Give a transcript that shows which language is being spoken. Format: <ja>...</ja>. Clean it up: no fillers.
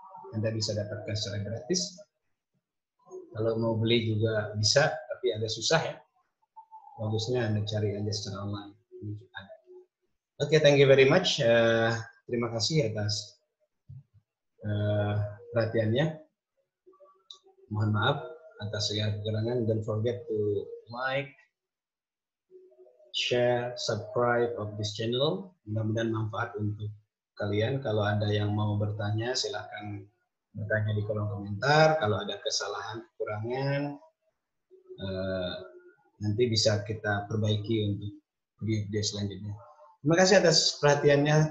<id>Anda bisa dapatkan secara gratis. Kalau mau beli juga bisa, tapi agak susah ya. Bagusnya Anda cari aja secara online. Oke, okay,</id> <en>thank you very much.</en> <id>Terima kasih atas perhatiannya. Mohon maaf atas segala kekurangan.</id> <en>Don't forget to like, share, subscribe of this channel.</en> <id>Mudah-mudahan manfaat untuk kalian. Kalau ada yang mau bertanya, silakan bertanya di kolom komentar. Kalau ada kesalahan, kekurangan, nanti bisa kita perbaiki untuk video selanjutnya. Terima kasih atas perhatiannya.</id>